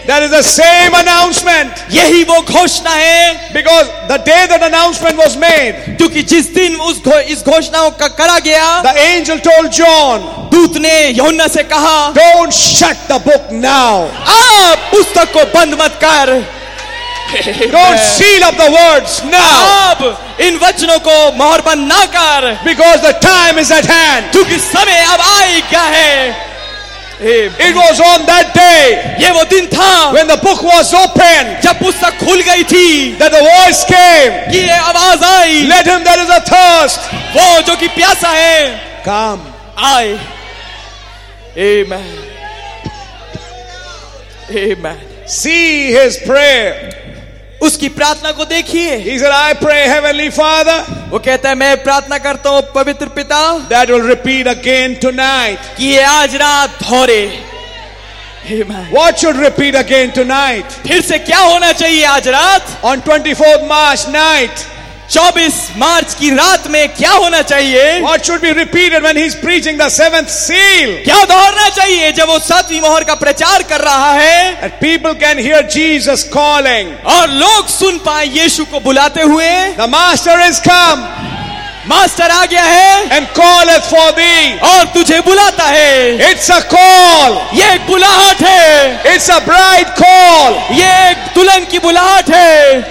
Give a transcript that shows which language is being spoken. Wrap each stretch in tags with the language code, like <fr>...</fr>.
<en>That is the same announcement.</en> <hi>यही वो घोषणा है.</hi> <en>Because the day that announcement was made,</en> <hi>क्योंकि जिस दिन इस घोषणाओं का करा गया,</hi> <en>the angel told John,</en> <hi>दूत ने यूहन्ना से कहा,</hi> <en>don't shut the book now.</en> <hi>आप पुस्तक को बंद मत कर.</hi> <en>Don't seal up the words now.</en> <hi>अब इन वचनों को मोहर बंद ना कर.</hi> <en>Because the time is at hand.</en> <hi>क्योंकि समय अब आ गया है.</hi> <en>It was on that day,</en> <hi>ये वो दिन था,</hi> <en>when the book was open,</en> <hi>जब पुस्तक खुल गई थी,</hi> <en>that the voice came,</en> <hi>कि ये आवाज आई,</hi> <en>let him that is a thirst,</en> <hi>वो जो कि प्यासा है,</hi> <en>come,</en> <hi>आए. Amen.</hi> <en>Amen. See his prayer.</en> <hi>उसकी प्रार्थना को देखिए.</hi> <en>He said, I pray, Heavenly Father.</en> <hi>वो कहता है मैं प्रार्थना करता हूँ पवित्र पिता.</hi> <en>That will repeat again tonight.</en> <hi>कि ये आज रात धोरे.</hi> <en>Amen. What should repeat again tonight?</en> <hi>फिर से क्या होना चाहिए आज रात?</hi> <en>On 24th March night.</en> <hi>24 मार्च की रात में क्या होना चाहिए?</hi> <en>What should be repeated when he's preaching the seventh seal?</en> <hi>क्या दोहराना चाहिए जब वो सातवीं मोहर का प्रचार कर रहा है?</hi> <en>That people can hear Jesus calling.</en> <hi>और लोग सुन पाए यीशु को बुलाते हुए.</hi> <en>The master is come.</en> <hi>Master आ गया है.</hi> <en>And calleth for thee.</en> <hi>और तुझे बुलाता है.</hi> <en>It's a call.</en> <hi>ये एक बुलाहट है.</hi> <en>It's a bride call.</en> <hi>ये एक दुल्हन की बुलाहट है.</hi>